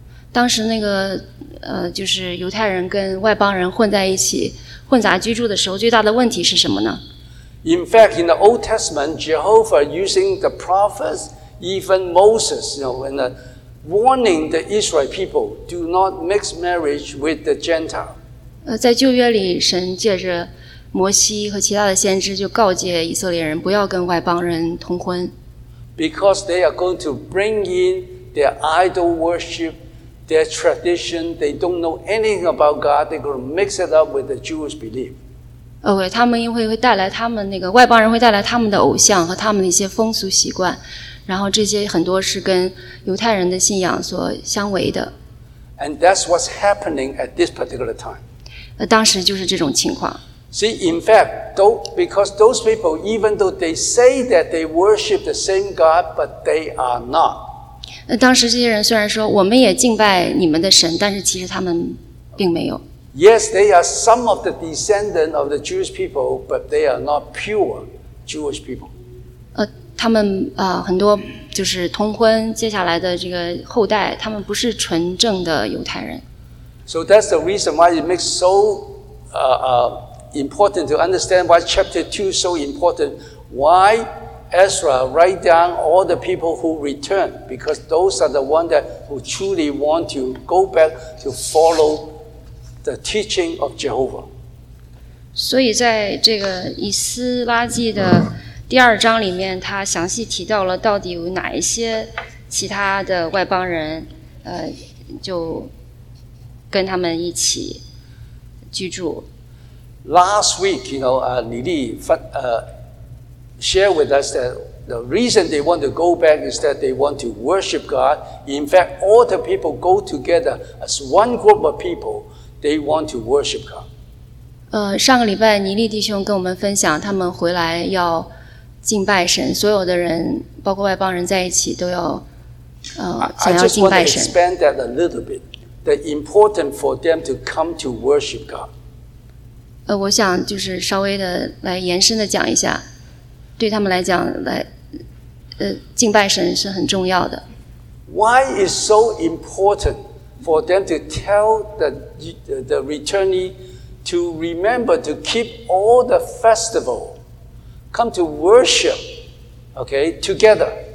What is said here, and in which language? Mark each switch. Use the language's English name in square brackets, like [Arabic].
[Chinese] 当时那个就是犹太人跟外邦人混在一起，混杂居住的时候，最大的问题是什么呢？ [English] In fact, in the Old Testament, Jehovah using the prophets, even Moses, you know, and warning the Israel people, do not mix marriage with the Gentile. [Chinese] 在旧约里，神借着摩西和其他的先知就告诫以色列人不要跟外邦人通婚。 [English] Because they are going to bring in their idol worship, their tradition, they don't know anything about God, they're going to mix it up with the Jewish belief. [Chinese] Okay, 他们因为会带来他们那个外邦人会带来他们的偶像和他们的一些风俗习惯，然后这些很多是跟犹太人的信仰所相违的。 [English] And that's what's happening at this particular time. [Chinese] 当时就是这种情况。 [English] See, in fact, though, because those people, even though they say that they worship the same God, but they are not. [Chinese] 当时这些人虽然说我们也敬拜你们的神，但是其实他们并没有。 [English] Yes, they are some of the descendants of the Jewish people, but they are not pure Jewish people. [Chinese] 他们很多就是通婚接下来的这个后代，他们不是纯正的犹太人。 [English] So that's the reason why it makes so important to understand why chapter 2 is so important. Why Ezra write down all the people who return, because those are the ones that who truly want to go back to followThe teaching of Jehovah. [Chinese] 所以在这个以斯拉记的第二章里面，他详细提到了到底有哪一些其他的外邦人，就跟他们一起居住。 [English] Last week, you know, Lili share with us that the reason they want to go back is that they want to worship God. In fact, all the people go together as one group of people. They want to worship God. [Chinese] 上个礼拜尼利弟兄跟我们分享，他们回来要敬拜神，所有的人，包括外邦人在一起，都要想要敬拜神。 [English] I just want to expand that a little bit. The important for them to come to worship God. [Chinese] 我想就是稍微的来延伸的讲一下，对他们来讲，敬拜神是很重要的。 [English] Why is so important? For them to tell the returnee to remember to keep all the festival, come to worship, okay, together.